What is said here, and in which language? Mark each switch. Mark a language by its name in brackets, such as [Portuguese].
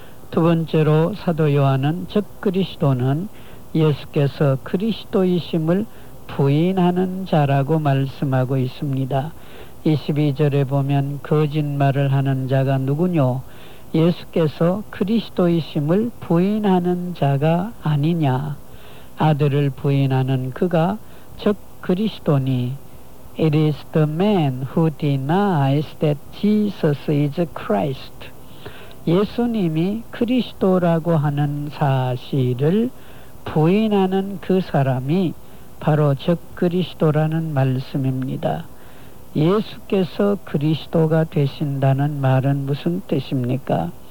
[Korean] 두 번째로 사도 요한은 적 그리스도는 예수께서 그리스도이심을 부인하는 자라고 말씀하고 있습니다. 22절에 보면 거짓말을 하는 자가 누구뇨? 예수께서 그리스도이심을 부인하는 자가 아니냐? 아들을 부인하는 그가 적 그리스도니, [English] It is the man who denies that Jesus is Christ. [Korean] 예수님이 그리스도라고 하는 사실을 부인하는 그 사람이 바로 적 그리스도라는 말씀입니다. 예수께서 그리스도가 되신다는 말은 무슨 뜻입니까?